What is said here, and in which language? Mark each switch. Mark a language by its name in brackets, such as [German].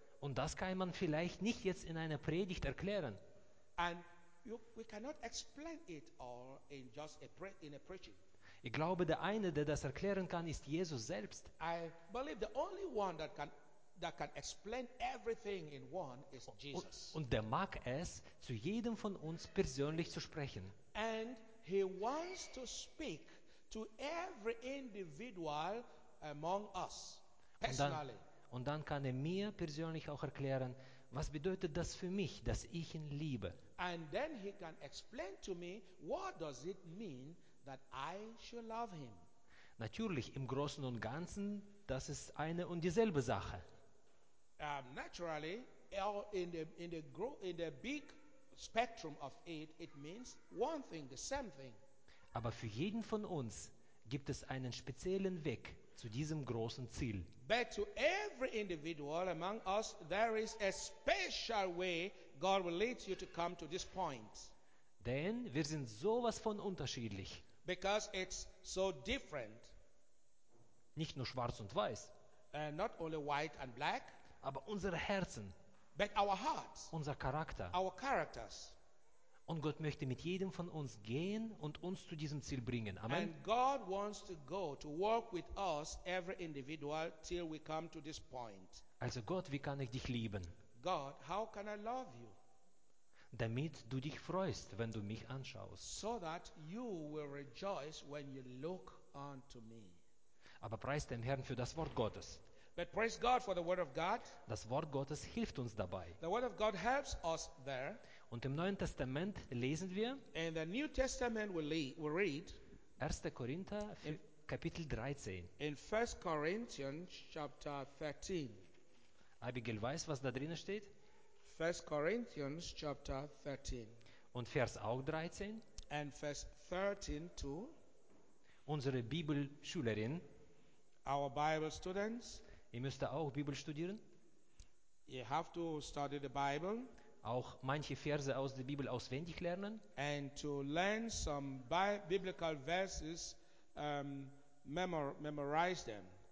[German] Und das kann man vielleicht nicht jetzt in einer Predigt erklären. [English] And we cannot explain it all in just in a preaching. [German] Ich glaube, der eine, der das erklären kann, ist Jesus selbst. [English] I believe the only one that can explain everything in one is Jesus. [German] Und der mag es, zu jedem von uns persönlich zu sprechen. [English] And he wants to speak to every individual among us personally. [German] Und dann kann er mir persönlich auch erklären, was bedeutet das für mich, dass ich ihn liebe? [English] And then he can explain to me, what does it mean that I should love him. [German] Natürlich, im Großen und Ganzen, das ist eine und dieselbe Sache. [English] Naturally, in the big spectrum of it, it means one thing, the same thing. [German] Aber für jeden von uns gibt es einen speziellen Weg zu diesem großen Ziel. [English] But to every individual among us, there is a special way God will lead you to come to this point. [German] Denn wir sind sowas von unterschiedlich. [English] Because it's so different. [German] Nicht nur schwarz und weiß. [English] Not only white and black. [German] Aber unsere Herzen. [English] But our hearts. [German] Unser Charakter. [English] Our characters. [German] Und Gott möchte mit jedem von uns gehen und uns zu diesem Ziel bringen. Amen. [English] And God wants to go to work with us every individual till we come to this point. [German] Also Gott, wie kann ich dich lieben? [English] God, how can I love you? [German] Damit du dich freust, wenn du mich anschaust. [English] So that you will rejoice when you look unto me. [German] Aber preist den Herrn für das Wort Gottes. [English] But praise God for the word of God. [German] Das Wort Gottes hilft uns dabei. [English] The word of God helps us there. [German] Und im Neuen Testament lesen wir [English] in the New Testament we read [German] 1. Korinther in, Kapitel 13. [English] In 1 Corinthians chapter 13. [German] Abigail weiß, was da drinnen steht. [English] 1 Corinthians chapter 13. [German] Und Vers auch 13. [English] And Vers 13 too. [German] Unsere Bibelschülerin. [English] Our Bible students. [German] Ihr müsst da auch Bibel studieren. [English] You have to study the Bible. [German] Auch manche Verse aus der Bibel auswendig lernen. [English] And to learn some biblical verses, memorize them.